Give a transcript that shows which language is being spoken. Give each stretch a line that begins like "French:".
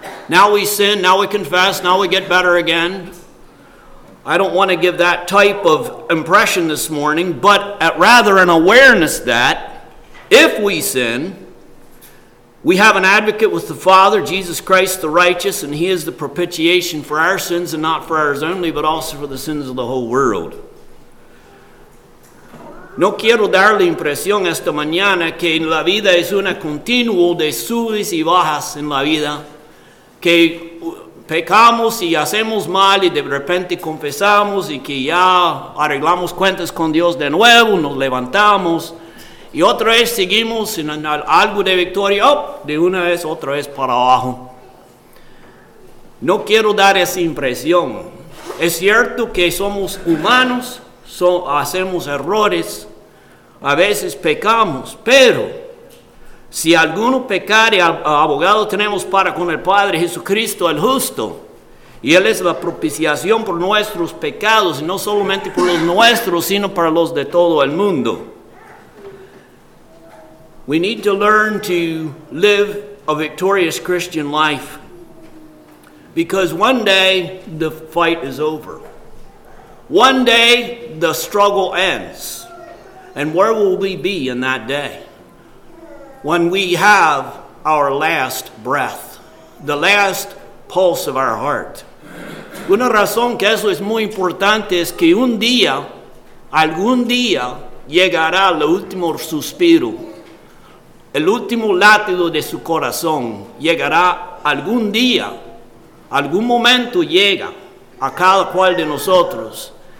English: Now we sin, now we confess, now we get better again. I don't want to give that type of impression this morning, but rather an awareness that if we sin, we have an advocate with the Father, Jesus Christ the righteous, and He is the propitiation for our sins, and not for ours only, but also for the sins of the whole world.
Spanish: No quiero dar la impresión esta mañana que la vida es una continuo de subes y bajas en la vida, que pecamos y hacemos mal y de repente confesamos y que ya arreglamos cuentas con Dios de nuevo, nos levantamos. Y otra vez seguimos en algo de victoria, oh, de una vez, otra vez para abajo. No quiero dar esa impresión. Es cierto que somos humanos, hacemos errores, A veces pecamos, pero si alguno pecare, abogado tenemos para con el Padre Jesucristo, el justo. Y Él es la propiciación por nuestros pecados, y no solamente por los nuestros, sino para los de todo el mundo.
English: We need to learn to live a victorious Christian life, because one day the fight is over. One day the struggle ends. And where will we be in that day? When we have our last breath, the last pulse of our heart.
Spanish: Una razón que eso es muy importante es que algún día llegará el último suspiro. El último latido de su corazón llegará algún día, algún momento llega a cada cual de nosotros.